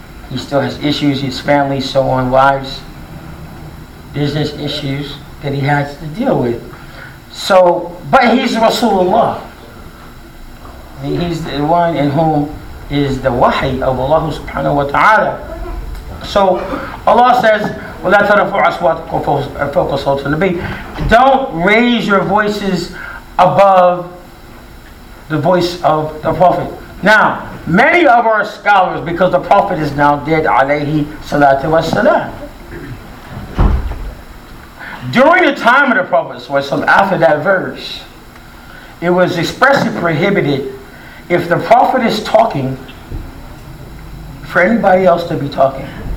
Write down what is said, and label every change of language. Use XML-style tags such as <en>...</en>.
<en>He still has issues, his family, so on, wives, business issues that he has to deal with. So, but he's Rasulullah. He's the one in whom is the wahi of Allah subhanahu wa ta'ala. So Allah says,</en> <ar>وَلَا تَرَفُوا أَصْوَاتَكُمْ فَوْقَ صَوْتِ النَّبِيِّ.</ar> <en>Don't raise your voices above the voice of the Prophet. Now, many of our scholars, because the Prophet is now dead, alayhi salatu wasalam, during the time of the Prophet, after that verse, it was expressly prohibited if the Prophet is talking for anybody else to be talking.</en>